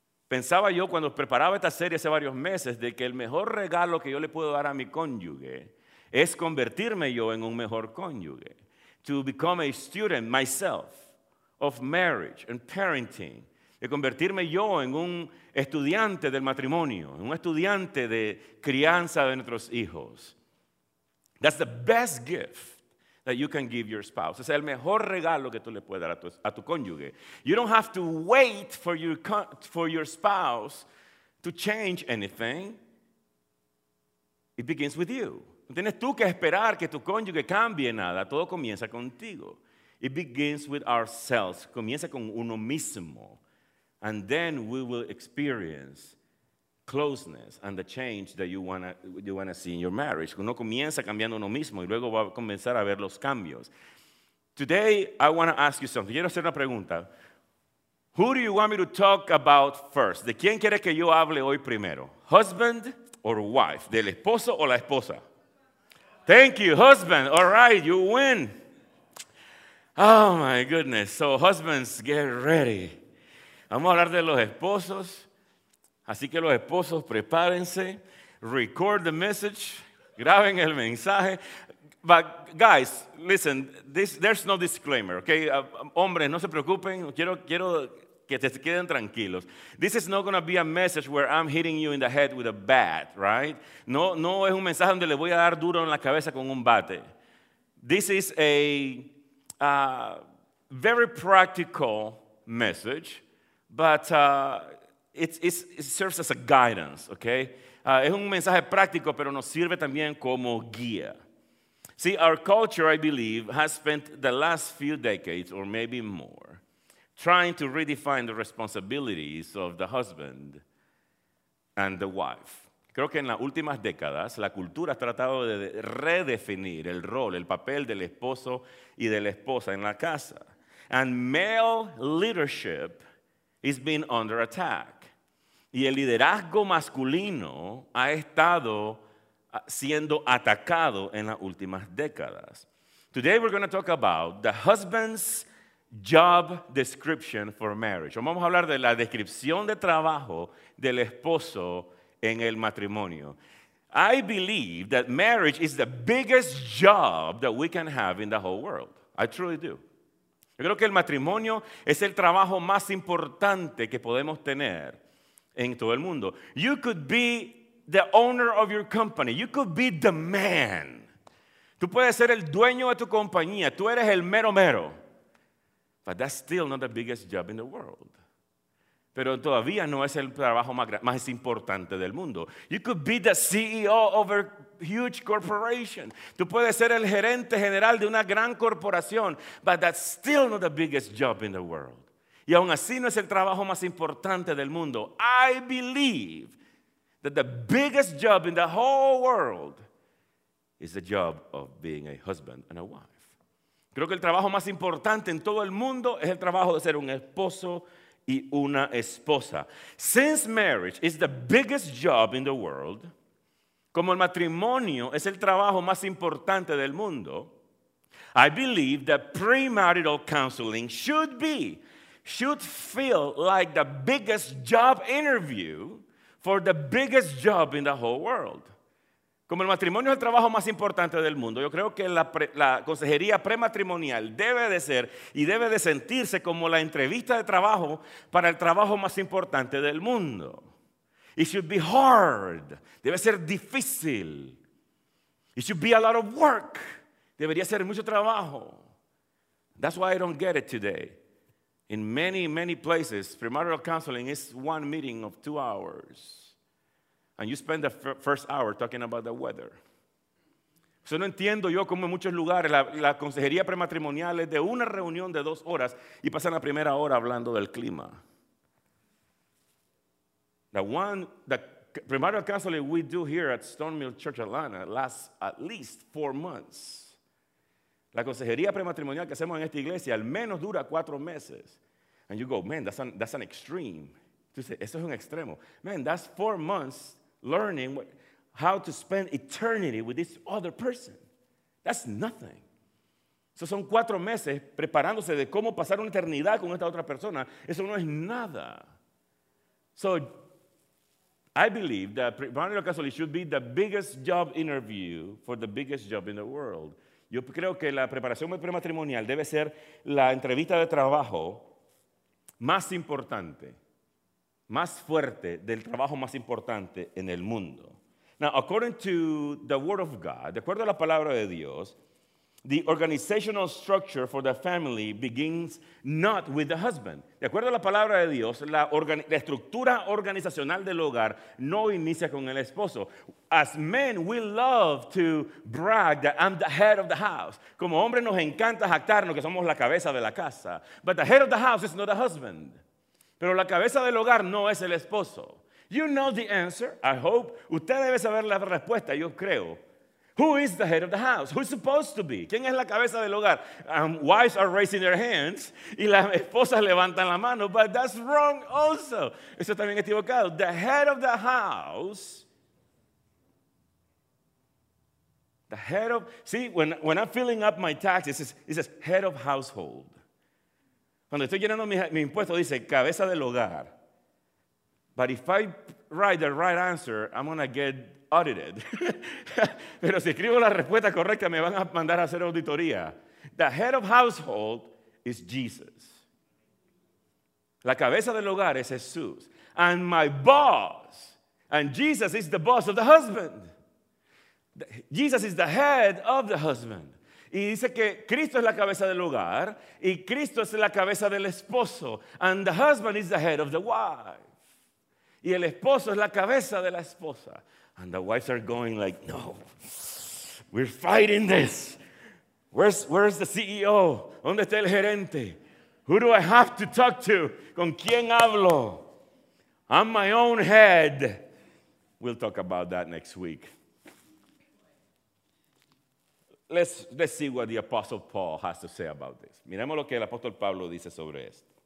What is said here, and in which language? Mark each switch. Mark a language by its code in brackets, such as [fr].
[es] Pensaba yo cuando preparaba esta serie hace varios meses de que el mejor regalo que yo le puedo dar a mi cónyuge es convertirme yo en un mejor cónyuge. [en] To become a student myself of marriage and parenting. [es] De convertirme yo en un estudiante del matrimonio, en un estudiante de crianza de nuestros hijos. [en] That's the best gift that you can give your spouse. [es] Es el mejor regalo que tú le puedes dar a tu cónyuge. [en] You don't have to wait for your spouse to change anything. It begins with you. [es] No tienes tú que esperar que tu cónyuge cambie nada. Todo comienza contigo. [en] It begins with ourselves. [es] Comienza con uno mismo. [en] And then we will experience closeness and the change that you wanna see in your marriage. [es] Uno comienza cambiando uno mismo y luego va a comenzar a ver los cambios. [en] Today, I want to ask you something. [es] Quiero hacer una pregunta. [en] Who do you want me to talk about first? [es] ¿De quién quieres que yo hable hoy primero? [en] ¿Husband or wife? [es] ¿Del esposo o la esposa? [en] Thank you, husband. All right, you win. Oh, my goodness. So, husbands, get ready. [es] Vamos a hablar de los esposos. Así que los esposos, prepárense. [en] Record the message. [es] Graben el mensaje. [en] But, guys, listen, there's no disclaimer, okay? [es] Hombres, no se preocupen. Quiero que se queden tranquilos. [en] This is not going to be a message where I'm hitting you in the head with a bat, right? [es] No es un mensaje donde le voy a dar duro en la cabeza con un bate. [en] This is a very practical message, but it serves as a guidance, okay? [es] Es un mensaje práctico, pero nos sirve también como guía. [en] See, our culture, I believe, has spent the last few decades, or maybe more, trying to redefine the responsibilities of the husband and the wife. [es] Creo que en las últimas décadas, la cultura ha tratado de redefinir el rol, el papel del esposo y de la esposa en la casa. [en] And male leadership is being under attack. [es] Y el liderazgo masculino ha estado siendo atacado en las últimas décadas. [en] Today we're going to talk about the husband's job description for marriage. [es] Hoy vamos a hablar de la descripción de trabajo del esposo en el matrimonio. [en] I believe that marriage is the biggest job that we can have in the whole world. I truly do. [es] Yo creo que el matrimonio es el trabajo más importante que podemos tener en todo el mundo. [en] You could be the owner of your company. You could be the man. [es] Tú puedes ser el dueño de tu compañía. Tú eres el mero mero. [en] But that's still not the biggest job in the world. [es] Pero todavía no es el trabajo más importante del mundo. [en] You could be the CEO of a huge corporation. [es] Tú puedes ser el gerente general de una gran corporación, [en] but that's still not the biggest job in the world. [es] Y aún así no es el trabajo más importante del mundo. [en] I believe that the biggest job in the whole world is the job of being a husband and a wife. [es] Creo que el trabajo más importante en todo el mundo es el trabajo de ser un esposo y una esposa. [en] Since marriage is the biggest job in the world, [es] como el matrimonio es el trabajo más importante del mundo, [en] I believe that premarital counseling should feel like the biggest job interview for the biggest job in the whole world. [es] Como el matrimonio es el trabajo más importante del mundo, yo creo que la consejería prematrimonial debe de ser y debe de sentirse como la entrevista de trabajo para el trabajo más importante del mundo. [en] It should be hard. [es] Debe ser difícil. [en] It should be a lot of work. [es] Debería ser mucho trabajo. [en] That's why I don't get it today. In many, many places, premarital counseling is one meeting of 2 hours. And you spend the first hour talking about the weather. [es] Eso no entiendo yo cómo en muchos lugares la consejería prematrimonial es de una reunión de 2 horas y pasan la primera hora hablando del clima. [en] The primary counseling we do here at Stone Mill Church Atlanta lasts at least 4 months. [es] La consejería prematrimonial que hacemos en esta iglesia al menos dura 4 meses. [en] And you go, man, that's an extreme. [es] Tú dices, eso es un extremo. [en] Man, that's 4 months. Learning how to spend eternity with this other person. That's nothing. [es] So son 4 meses preparándose de cómo pasar una eternidad con esta otra persona. Eso no es nada. [en] So I believe that premarital counseling should be the biggest job interview for the biggest job in the world. [es] Yo creo que la preparación prematrimonial debe ser la entrevista de trabajo más importante, más fuerte del trabajo más importante en el mundo. [en] Now, according to the Word of God, [es] de acuerdo a la palabra de Dios, [en] the organizational structure for the family begins not with the husband. [es] De acuerdo a la palabra de Dios, la estructura organizacional del hogar no inicia con el esposo. [en] As men, we love to brag that I'm the head of the house. [es] Como hombres nos encanta jactarnos que somos la cabeza de la casa. [en] But the head of the house is not the husband. [es] Pero la cabeza del hogar no es el esposo. [en] You know the answer, I hope. [es] Usted debe saber la respuesta, yo creo. [en] Who is the head of the house? Who's supposed to be? [es] ¿Quién es la cabeza del hogar? [en] Wives are raising their hands. [es] Y las esposas levantan la mano. [en] But that's wrong also. [es] Eso también es equivocado. [en] The head of the house. The head of. See, when I'm filling up my taxes, it says head of household. [es] Cuando estoy llenando mi impuesto, dice cabeza del hogar. [en] But if I write the right answer, I'm going to get audited. [es] Pero si escribo la respuesta correcta, me van a mandar a hacer auditoría. [en] The head of household is Jesus. [es] La cabeza del hogar es Jesús. [en] And my boss, and Jesus is the boss of the husband. Jesus is the head of the husband. [es] Y dice que Cristo es la cabeza del hogar, y Cristo es la cabeza del esposo. [en] And the husband is the head of the wife. [es] Y el esposo es la cabeza de la esposa. [en] And the wives are going like, no, we're fighting this. Where's the CEO? [es] ¿Dónde está el gerente? [en] Who do I have to talk to? [es] ¿Con quién hablo? [en] I'm my own head. We'll talk about that next week. Let's see what the Apostle Paul has to say about this. [es] Miremos lo que el apóstol Pablo dice sobre esto.